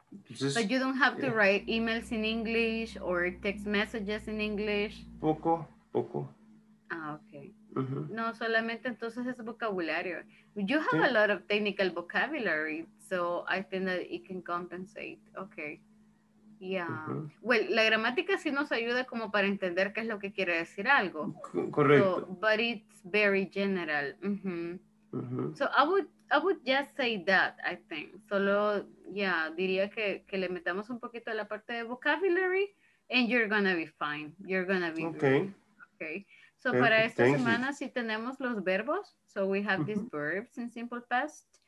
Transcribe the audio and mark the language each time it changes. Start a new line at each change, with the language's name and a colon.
English: Just, but you don't have to write emails in English or text messages in English.
Spanish: Poco. Ah, okay. No, solamente entonces es vocabulario.
English: You have a lot of technical vocabulary, so I think that it can compensate. Okay. Yeah.
Spanish: Well, la gramática sí nos ayuda como para entender qué es lo que quiere decir algo. Correcto.
English: So, but it's very general. So I would just say that, I think.
Spanish: Solo, yeah, diría que le metamos un poquito a la parte de vocabulary
English: and you're gonna be
Spanish: fine. You're gonna be
English: okay.
Spanish: So para esta semana sí tenemos los verbos.
English: So we have these verbs in simple past.